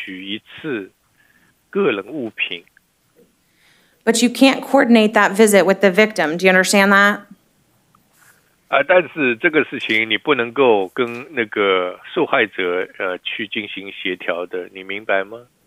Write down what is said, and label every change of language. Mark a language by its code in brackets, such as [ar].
[zh] 你必须住在另外一个地方，然后只有给你提供一次机会，在执法人员可以帮你一起回到你的住所去取一次个人物品。 [en] But you can't coordinate that visit with the victim. Do you understand that? [zh] 但是这个事情你不能够跟那个受害者去进行协调的，你明白吗？